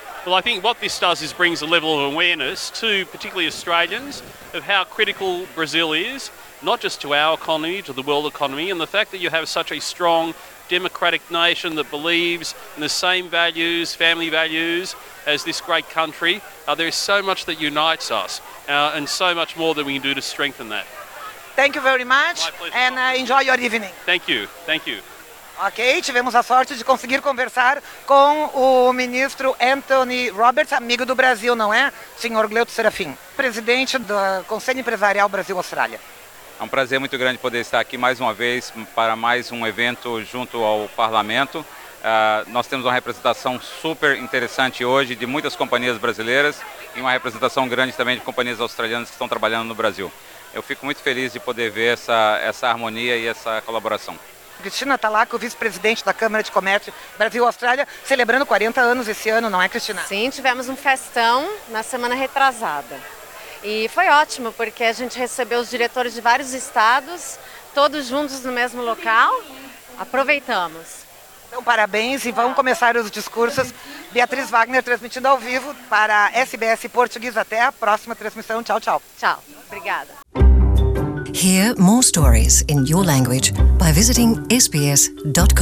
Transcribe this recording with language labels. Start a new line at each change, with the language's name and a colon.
English: Well, I think what this does is brings a level of awareness to particularly Australians of how critical Brazil is, not just to our economy, to the world economy, and the fact that you have such a strong democratic nation that believes in the same values, family values, as this great country. There is so much that unites us, and so much more that we can do to strengthen that. Thank you very much. My pleasure. And enjoy your evening. Thank you.
Portuguese: Ok, tivemos a sorte de conseguir conversar com o ministro Anthony Roberts, amigo do Brasil, não é? Senhor Gleuto Serafim, presidente do Conselho Empresarial Brasil-Austrália. É um prazer muito grande poder estar aqui mais uma vez para mais um evento junto ao Parlamento. Nós temos uma representação super interessante hoje de muitas companhias brasileiras e uma representação grande também de companhias australianas que estão trabalhando no Brasil. Eu fico muito feliz de poder ver essa harmonia e essa colaboração. Cristina Talaco, vice-presidente da Câmara de Comércio Brasil-Austrália, celebrando 40 anos esse ano, não é, Cristina? Sim, tivemos um festão na semana retrasada. E foi ótimo, porque a gente recebeu os diretores de vários estados, todos juntos no mesmo local. Aproveitamos. Então, parabéns e vamos começar os discursos. Beatriz Wagner, transmitindo ao vivo para SBS Português. Até a próxima transmissão. Tchau, tchau. Tchau. Obrigada.
English: Hear more stories in your language by visiting sbs.com.au.